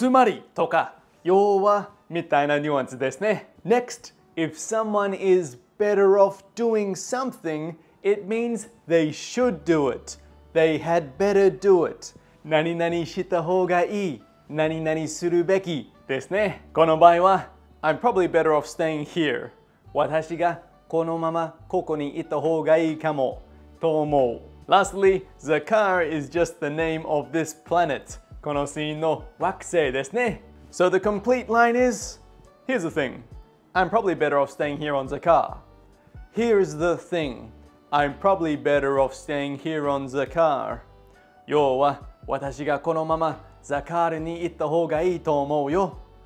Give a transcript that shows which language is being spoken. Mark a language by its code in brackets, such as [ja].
[ja] つまりとか、要はみたいなニュアンスですね。 [en] Next, if someone is better off doing something, it means they should do it. They had better do it. [ja] 何々した方がいい。何々するべきですね。この場合は、 [en] I'm probably better off staying here. [ja] 私がこのままここにいた方がいいかもと思う。 [en] Lastly, Sakaar is just the name of this planet. [ja] このシーンの惑星ですね。 [en] So the complete line is, Here's the thing. I'm probably better off staying here on Sakaar. Here's the thing. I'm probably better off staying here on Sakaar. [ja] 要は、私がこのままSakaarに行った方がいいと思うよ。